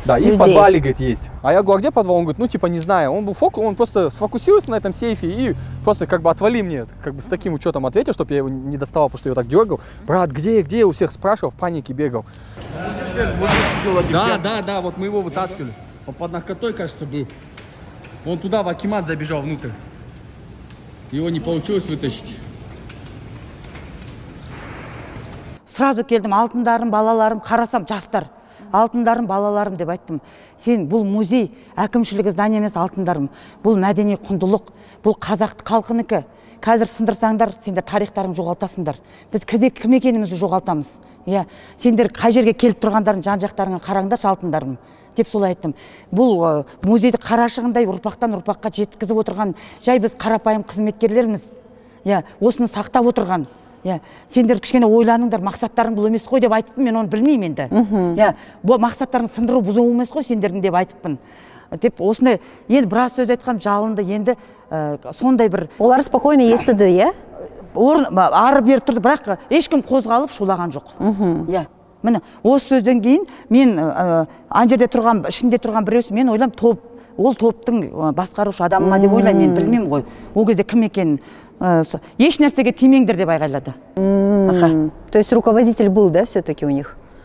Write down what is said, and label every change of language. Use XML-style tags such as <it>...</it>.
<ru>Да, и в подвале, говорит, есть. А я говорю, а где подвал? Он говорит, ну, типа, не знаю, он был фокус, он просто сфокусился на этом сейфе и просто, как бы, отвали мне, как бы, с таким учетом ответил, чтобы я его не доставал, потому что я его так дергал. Брат, где, где, у всех спрашивал, в панике бегал. Да, вот мы его вытаскивали, он под наркотой, кажется, был. Он туда, в акимат забежал внутрь, его не получилось вытащить.</ru> <kk>Сразу келдім, алтындарым, балаларым, қарасам жастар. Алтындарым, балаларым деп айттым. Сен бұл музей, әкімшілігі здание емес алтындарым. Бұл мәдени құндылық, бұл қазақ халқыныкі. Қазір сындырсаңдар, сендер тарихтарын жоғалтасыңдар. Біз кізе кім екенімізді жоғалтамыз. Иә, сендер қай жерге келіп тұрғандарын жан-жақтарыңа қараңдаршы алтындарым. Деп солай айттым. Бұл музейді қарашығындай ұрпақтан ұрпаққа жеткізіп отырған жай біз қарапайым қызметкерлерміз. Иә, осыны сақтап отырған. Иә, сендер кішкене ойланыңдар, мақсаттарың бұл емес қой деп айттым, мен оны білмеймін енді. Иә, бұл мақсаттарың сындыру бұзуы емес қой сендердің деп айтыппын. Деп осындай, енді біраз сөз айтқан жалынды, енді сондай бір... Олар спокойно естіді, иә? Орын, ары-бері тұрды, бірақ ешкім қозғалып шулаған жоқ. Иә. Міне, осы сөзден кейін мен ана жерде тұрған, ішінде тұрған біреусі, мен ойлам, топ, ол топтың басқарушы адамы ма деп ойлаймын, мен білмеймін ғой. Ол кезде кім екенін. Еш нәрсеге тимеңдер деп айғайлады.</kk> <ru>То есть руководитель был, да, все-таки у них?</ru>